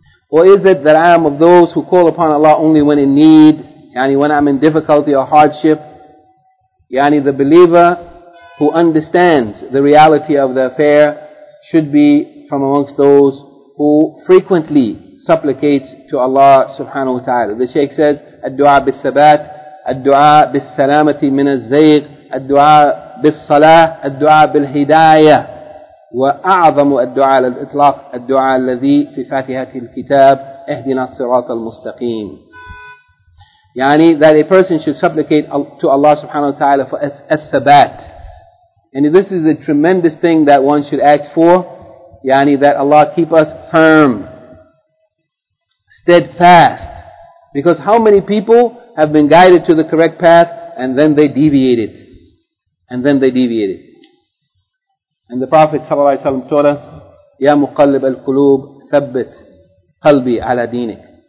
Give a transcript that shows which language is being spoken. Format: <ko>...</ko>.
<en>Or is it that I am of those who call upon Allah only when in need? Yani, when I'm in difficulty or hardship? Yani, the believer who understands the reality of the affair should be from amongst those who frequently supplicates to Allah subhanahu wa ta'ala. The Shaykh says,</en> <ar>الدُّعَى بِالثَّبَاتِ, الدُّعَى بِالسَّلَامَةِ مِنَ الزَّيْغِ, الدُّعَى بِالصَّلَاةِ, الدُّعَى بِالْهِدَايَةِ, وَأَعْظَمُ الدُّعَى لَلْإِطْلَاقِ, الدُّعَى الَّذِي فِي فَاتِحَةِ الْكِتَابِ, اهْدِنَا الصِّرَاطَ الْمُسْتَقِيمِ.</ar> <en>Yani that a person should supplicate to Allah subhanahu wa ta'ala for الثَّبَات. And this is a tremendous thing that one should ask for. Yani that Allah keep us firm, steadfast. Because how many people have been guided to the correct path and then they deviated? And then they deviated. And the Prophet ﷺ told us,</en> <ar>يَا مُقَلِّبَ الْقُلُوبِ ثَبِّتْ قَلْبِي عَلَى دِينِكْ.</ar>